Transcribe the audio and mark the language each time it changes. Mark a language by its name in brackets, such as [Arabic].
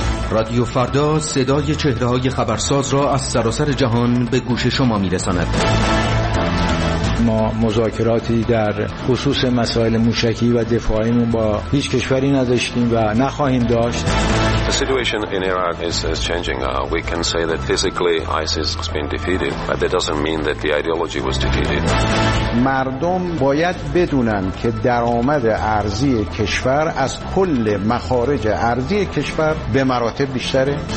[Persian] رادیو فردا صدای چهره‌های خبرساز را از سراسر جهان به گوش شما می‌رساند. ما مذاکراتی در خصوص مسائل موشکی و دفاعیمون با هیچ کشوری نداشتیم و نخواهیم داشت. [English] The situation in Iraq is changing. We can say that physically ISIS has been defeated, but that doesn't mean that the ideology was defeated. [Persian] مردم باید بدونن که درآمد ارزی کشور از کل مخارج ارزی کشور به مراتب بیشتره.